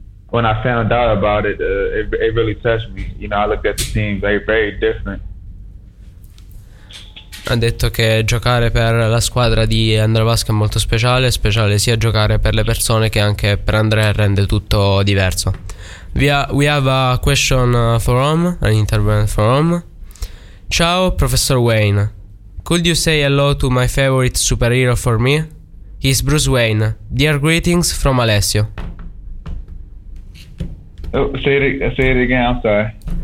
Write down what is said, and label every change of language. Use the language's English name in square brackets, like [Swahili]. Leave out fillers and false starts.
[English] When I found out about it, it really touched me. You know, I looked at the team; they're very different. [Italian] Ha detto che giocare per la squadra di Andrea Pasca è molto speciale sia giocare per le persone che anche per Andrea, rende tutto diverso. [English] We have a question for him, an interview for him. Ciao Professor Wayne, could you say hello to my favorite superhero for me? He's Bruce Wayne. Dear greetings from Alessio. Oh, say it again, I'm sorry.